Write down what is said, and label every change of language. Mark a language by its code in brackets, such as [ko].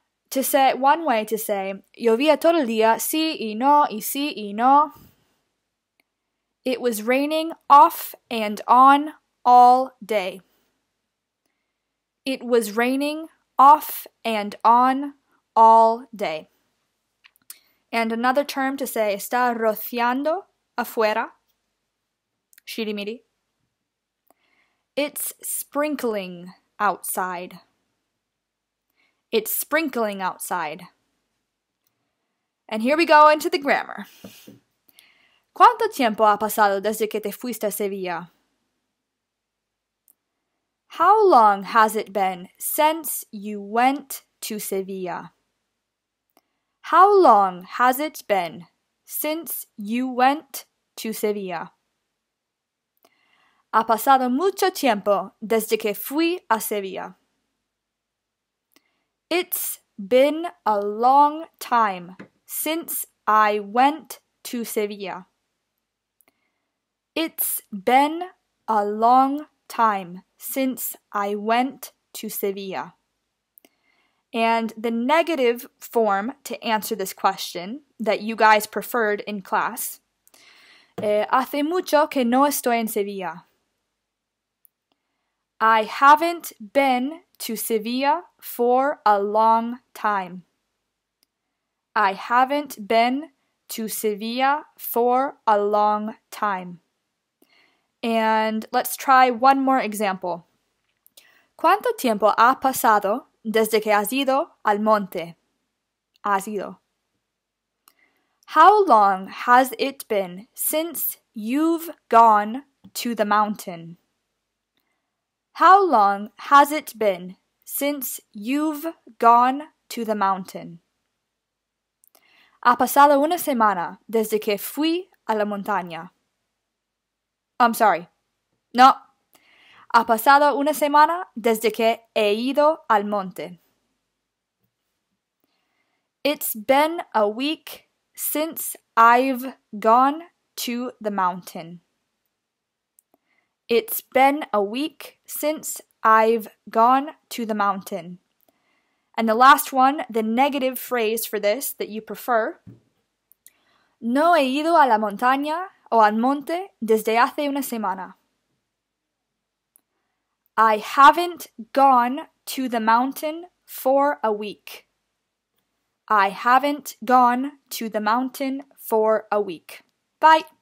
[en] To say, one way to say, [es] Llovía todo el día, sí y no, y sí y no. [en] It was raining off and on all day. It was raining off and on all day. And another term to say, [es] está rociando afuera. [en] Shitty-meaty. It's sprinkling outside. It's sprinkling outside. And here we go into the grammar. [es] ¿Cuánto tiempo ha pasado desde que te fuiste a Sevilla? [en] How long has it been since you went to Sevilla? How long has it been since you went to Sevilla? [es] Ha pasado mucho tiempo desde que fui a Sevilla. [en] It's been a long time since I went to Sevilla. It's been a long time since I went to Sevilla. And the negative form to answer this question that you guys preferred in class, [es] hace mucho que no estoy en Sevilla. [en] I haven't been to Sevilla for a long time. I haven't been to Sevilla for a long time. And let's try one more example. [es] ¿Cuánto tiempo ha pasado desde que has ido al monte? Has ido. [en] How long has it been since you've gone to the mountain? How long has it been since you've gone to the mountain? [es] Ha pasado una semana desde que fui a la montaña. [en] I'm sorry. [es] No. Ha pasado una semana desde que he ido al monte. [en] It's been a week since I've gone to the mountain. It's been a week since I've gone to the mountain. And the last one, the negative phrase for this that you prefer. [es] No he ido a la montaña o al monte desde hace una semana. [en] I haven't gone to the mountain for a week. I haven't gone to the mountain for a week. Bye.